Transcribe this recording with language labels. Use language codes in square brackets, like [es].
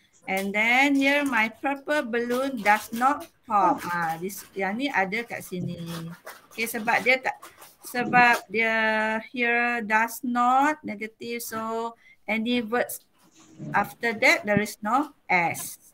[en] And then here my purple balloon does not pop. [ms] Ah, this yang ni ada kat sini. [en] Okay, [ms] sebab dia tak sebab dia [en] here does not negative, so any words after that there is no S.